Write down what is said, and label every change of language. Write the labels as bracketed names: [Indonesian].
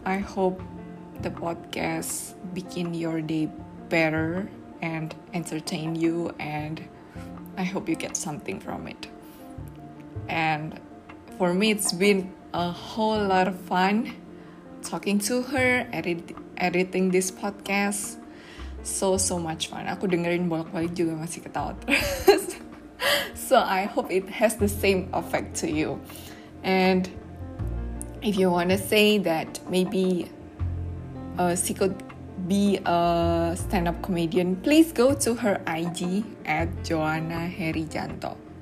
[English] I hope the podcast begin your day better and entertain you, and I hope you get something from it. And for me, it's been a whole lot of fun talking to her, editing this podcast. So much fun. [Indonesian] Aku dengerin bolak-balik juga masih ketawa terus. [English] So I hope it has the same effect to you. And if you want to say that maybe she could be a stand-up comedian, please go to her IG at Joanna Herijanto.